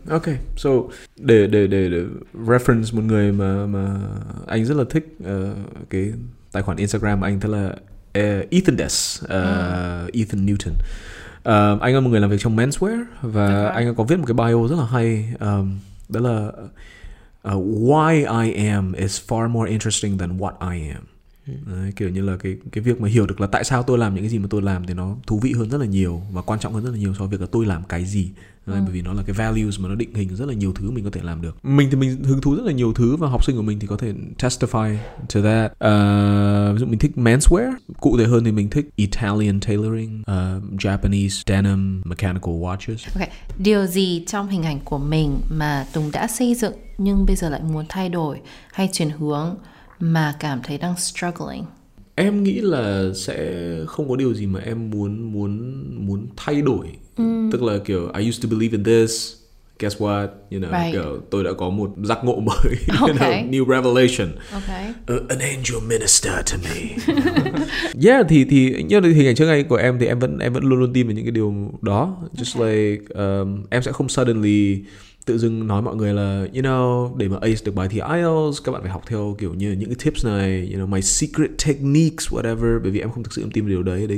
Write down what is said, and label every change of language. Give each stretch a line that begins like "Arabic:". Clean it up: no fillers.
English: Ok, so
Vietnamese: để reference một người mà anh rất là thích cái tài khoản Instagram của anh, thế là Ethan Des, Ethan Newton. Anh là một người làm việc trong menswear và anh có viết một cái bio rất là hay. Đó là
English: why I am is far more interesting than what I am.
Vietnamese: Đấy, kiểu như là cái việc mà hiểu được là tại sao tôi làm những cái gì mà tôi làm thì nó thú vị hơn rất là nhiều và quan trọng hơn rất là nhiều so với việc là tôi làm cái gì. Đấy, bởi vì nó là cái values mà nó định hình rất là nhiều thứ mình có thể làm được. Mình thì mình hứng thú rất là nhiều thứ và học sinh của mình thì có thể
English: testify to that.
Vietnamese: Ví dụ mình thích menswear, cụ thể hơn thì mình thích
English: Italian tailoring, Japanese denim, mechanical watches. Okay.
Vietnamese: Điều gì trong hình ảnh của mình mà Tùng đã xây dựng nhưng bây giờ lại muốn thay đổi hay chuyển hướng mà cảm thấy đang struggling? Em nghĩ là sẽ không có điều gì mà em muốn thay đổi. Tức là kiểu
English: I used to believe in this, guess what, you know, right.
Vietnamese: Kiểu tôi đã có một giác ngộ mới,
English: you okay. know, new revelation. Okay. An angel minister to me.
Vietnamese: Yeah, thì như là hình ảnh trước ngày của em thì em vẫn luôn luôn tin vào những cái điều đó.
English: Just okay.
Vietnamese: like em sẽ không suddenly tự dưng nói mọi người là, you know, để mà ace được bài thi IELTS, các bạn phải học theo kiểu như những cái tips này,
English: you know, my secret techniques, whatever,
Vietnamese: bởi vì em không thực sự tin điều đấy.